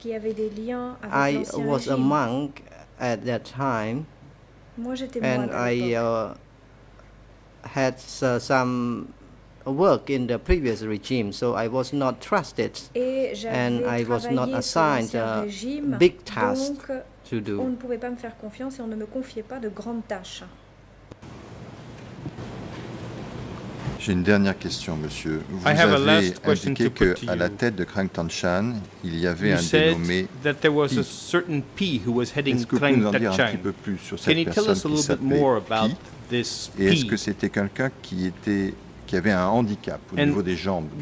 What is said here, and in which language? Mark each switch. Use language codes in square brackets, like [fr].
[fr] Qui avaient des liens avec l'ancien [en] régime. I was a monk at that time, [fr] moi, j'étais [en] and I had some work in the previous regime, so I was not trusted, and I was not assigned a big task to do. [fr] On ne pouvait pas me faire confiance et on ne me confiait pas de grandes tâches. J'ai une dernière question, monsieur. Vous avez indiqué que à la tête de Krang Tangshan, il y avait un dénommé [en] that there was a certain P who was heading Krang Tangshan. Can you tell us a little bit more about this P? [fr] Et est-ce que c'était quelqu'un qui avait un handicap au niveau des jambes?